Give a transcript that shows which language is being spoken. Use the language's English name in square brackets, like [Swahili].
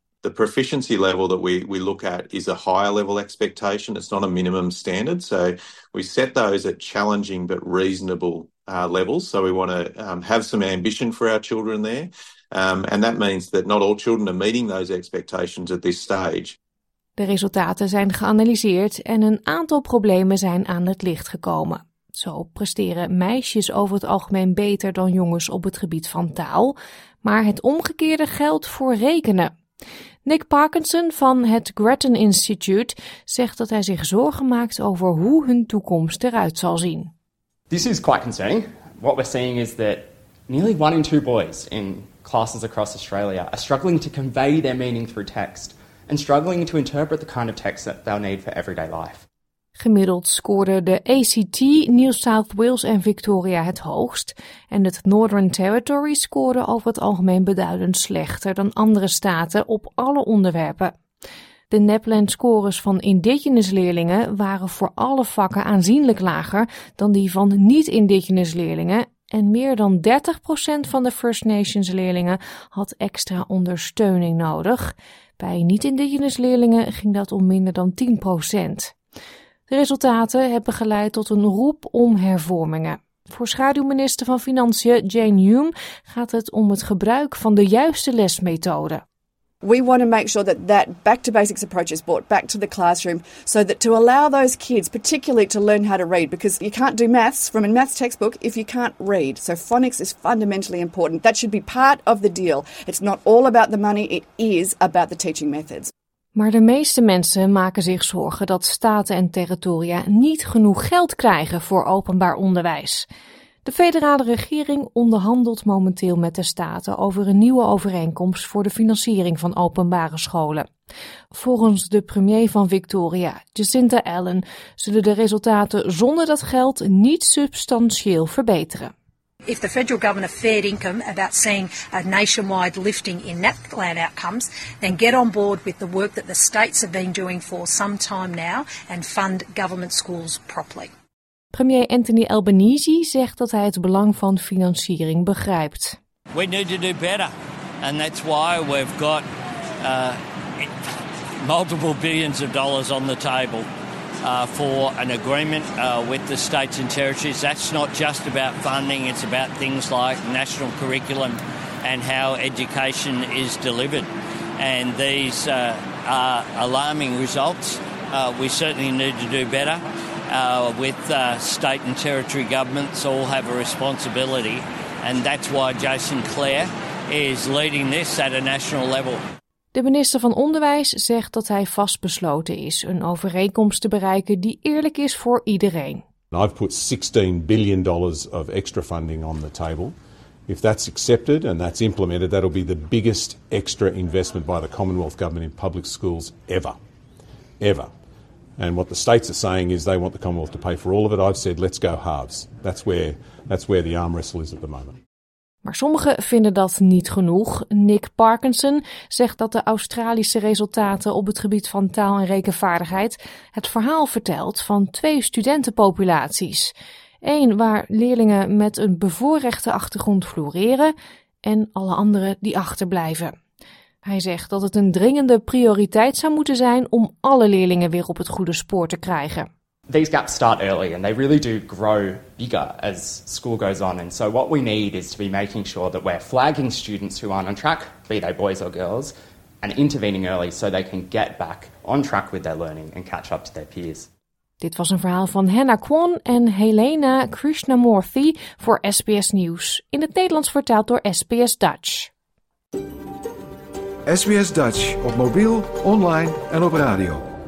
[English] The proficiency level that we look at is a higher level expectation. It's not a minimum standard. So we set those at challenging but reasonable levels. So we want to have some ambition for our children there. And that means that not all children are meeting those expectations at this stage. [Dutch] De resultaten zijn geanalyseerd en een aantal problemen zijn aan het licht gekomen. Zo presteren meisjes over het algemeen beter dan jongens op het gebied van taal, maar het omgekeerde geldt voor rekenen. Nick Parkinson van het Grattan Institute zegt dat hij zich zorgen maakt over hoe hun toekomst eruit zal zien. [English] This is quite concerning. What we're seeing is that nearly one in two boys in classes across Australia are struggling to convey their meaning through text and struggling to interpret the kind of text that they'll need for everyday life. [Dutch] Gemiddeld scoorden de ACT, New South Wales en Victoria het hoogst en het Northern Territory scoorde over het algemeen beduidend slechter dan andere staten op alle onderwerpen. De NAPLAN-scores van Indigenous leerlingen waren voor alle vakken aanzienlijk lager dan die van niet-Indigenous leerlingen en meer dan 30% van de First Nations leerlingen had extra ondersteuning nodig. Bij niet-Indigenous leerlingen ging dat om minder dan 10%. De resultaten hebben geleid tot een roep om hervormingen. Voor schaduwminister van Financiën Jane Hume gaat het om het gebruik van de juiste lesmethode. [English] We want to make sure that that back to basics approach is brought back to the classroom, so that to allow those kids, particularly to learn how to read, because you can't do maths from a maths textbook if you can't read. So phonics is fundamentally important. That should be part of the deal. It's not all about the money. It is about the teaching methods. [Dutch] Maar de meeste mensen maken zich zorgen dat staten en territoria niet genoeg geld krijgen voor openbaar onderwijs. De federale regering onderhandelt momenteel met de staten over een nieuwe overeenkomst voor de financiering van openbare scholen. Volgens de premier van Victoria, Jacinta Allen, zullen de resultaten zonder dat geld niet substantieel verbeteren. [English] If the federal government fared income about seeing a nationwide lifting in NAPLAN outcomes, then get on board with the work that the states have been doing for some time now and fund government schools properly. [Dutch] Premier Anthony Albanese zegt dat hij het belang van financiering begrijpt. [English] We need to do better. And that's why we've got multiple billions of dollars on the table for an agreement with the states and territories. That's not just about funding, it's about things like national curriculum and how education is delivered. And these are alarming results. We certainly need to do better. With state and territory governments all have a responsibility. And that's why Jason Clare is leading this at a national level. [Dutch] De minister van Onderwijs zegt dat hij vastbesloten is een overeenkomst te bereiken die eerlijk is voor iedereen. [English] I've put $16 billion of extra funding on the table. If that's accepted and that's implemented, that'll be the biggest extra investment by the Commonwealth Government in public schools ever. Ever. And what the states are saying is they want the Commonwealth to pay for all of it. I've said let's go halves. That's where the arm wrestle is at the moment. [Dutch] Maar sommigen vinden dat niet genoeg. Nick Parkinson zegt dat de Australische resultaten op het gebied van taal- en rekenvaardigheid het verhaal vertelt van twee studentenpopulaties. Eén waar leerlingen met een bevoorrechte achtergrond floreren en alle anderen die achterblijven. Hij zegt dat het een dringende prioriteit zou moeten zijn om alle leerlingen weer op het goede spoor te krijgen. [English] These gaps start early and they really do grow bigger as school goes on. And so what we need is to be making sure that we're flagging students who aren't on track, be they boys or girls, and intervening early so they can get back on track with their learning and catch up to their peers. [Dutch] Dit was een verhaal van Hannah Kwon en Helena Krishnamoorthy voor SBS Nieuws. In het Nederlands vertaald door SBS Dutch. SBS Dutch op mobiel, online en op radio.